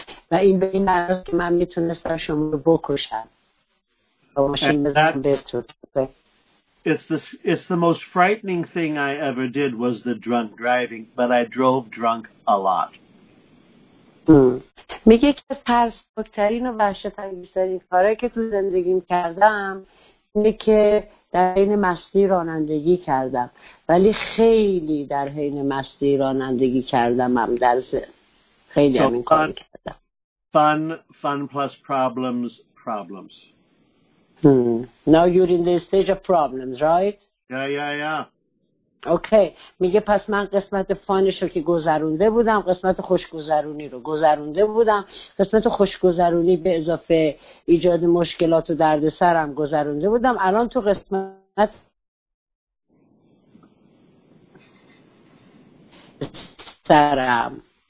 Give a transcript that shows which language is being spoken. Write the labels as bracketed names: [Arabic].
[Persian] و این به این معنی که من میتونستم شما رو بکشم. و ماشین بزنم به تو. [English] It's the most frightening thing I ever did was the drunk driving, but I drove drunk a lot. [Persian] میگه که ترسناک‌ترین و وحشت‌انگیزترین کاری که تو زندگیم کردم اینه که در حین مستی رانندگی کردم، ولی خیلی در حین مستی رانندگی کردم، هم در خیلی هم این کاری کردم. [English] Fun plus problems. Now you're in the stage of problems, right? Yeah. Okay. [Persian] میگه پس من قسمت فانش رو که گذرونده بودم، قسمت خوشگذرونی رو گذرونده بودم، قسمت خوشگذرونی به اضافه ایجاد مشکلات و درد سرم گذرونده بودم، الان تو قسمت سرم.